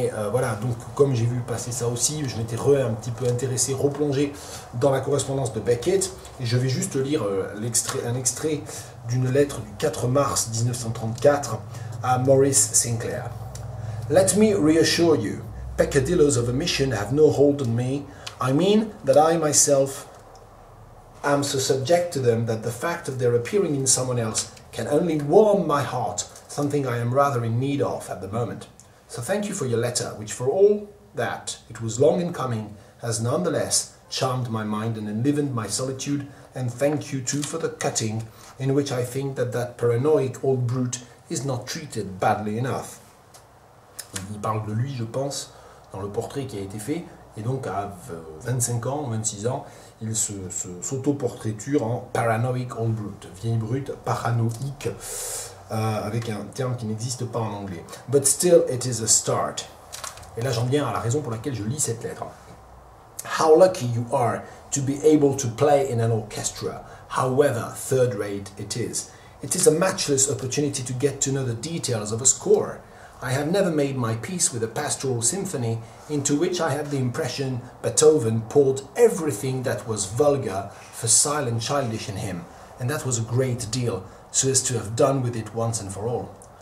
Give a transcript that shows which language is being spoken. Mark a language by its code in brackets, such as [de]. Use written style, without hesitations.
[fr] Voilà, donc, comme j'ai vu passer ça aussi, je m'étais un petit peu intéressé, replongé dans la correspondance de Beckett, et je vais juste lire un extrait d'une lettre du 4 mars 1934 à Maurice Sinclair. [en] « Let me reassure you, peccadillos of omission have no hold on me. I mean that I myself am so subject to them that the fact of their appearing in someone else can only warm my heart, something I am rather in need of at the moment. So thank you for your letter, which for all that it was long in coming, has nonetheless charmed my mind and enlivened my solitude, and thank you too for the cutting, in which I think that paranoid old brute is not treated badly enough. » [fr] Il parle de lui, je pense, dans le portrait qui a été fait. Et donc, à 25 ans, 26 ans, il s'auto-portraiture en « [en] paranoic old brute [fr] », vieille brute, paranoïque, avec un terme qui n'existe pas en anglais. « [en] But still, it is a start. [fr] » Et là, j'en viens à la raison pour laquelle je lis cette lettre. [en] « How lucky you are to be able to play in an orchestra, however third-rate it is. It is a matchless opportunity to get to know the details of a score. » I have never made my peace with a pastoral symphony into which I had the impression Beethoven poured everything that was vulgar, facile and childish in him, and that was a great deal, so as to have done with it once and for all.